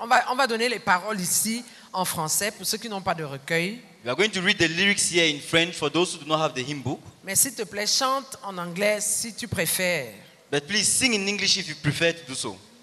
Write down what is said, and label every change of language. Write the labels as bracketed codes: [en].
[fr] On va donner les paroles ici en français pour ceux qui n'ont pas de recueil. [en] We are going to read the lyrics here in French for those who do not have the hymn book. [fr] Mais s'il te plaît, chante en anglais si tu préfères. [en] But please sing in English if you prefer to do so.